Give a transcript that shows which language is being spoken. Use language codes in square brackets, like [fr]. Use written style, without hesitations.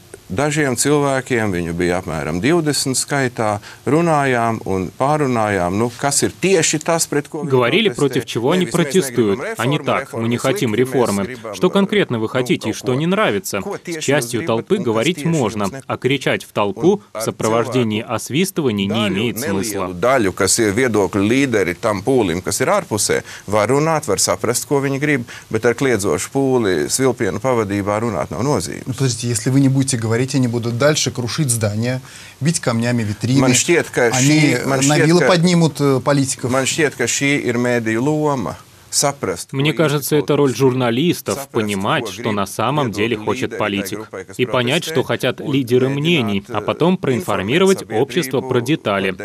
[lv] Dažiem cilvēkiem viņu bija apmēram 20 skaitā, runājām un pārunājām, nu, kas ir tieši tas, pret ko... [ru] Говорили, против чего они протестуют, а не так, мы не хотим реформы. Что конкретно вы хотите и что не нравится? С частью толпы говорить можно, а кричать в толпу в сопровождении освистываний не имеет смысла. [lv] Daļu, kas ir viedokļu līderi tam pūlim, kas ir ārpusē, var runāt, var saprast, ko viņi grib, bet ar kliedzošu pūli svilpienu pavadībā runāt nav nozīmes. [ru] Ну, подождите, если вы не будете говорить, они будут дальше крушить здания, бить камнями витрины. Мне кажется, это роль журналистов — понимать, что на самом деле хочет политик, и понять, что хотят лидеры мнений, а потом проинформировать общество про детали.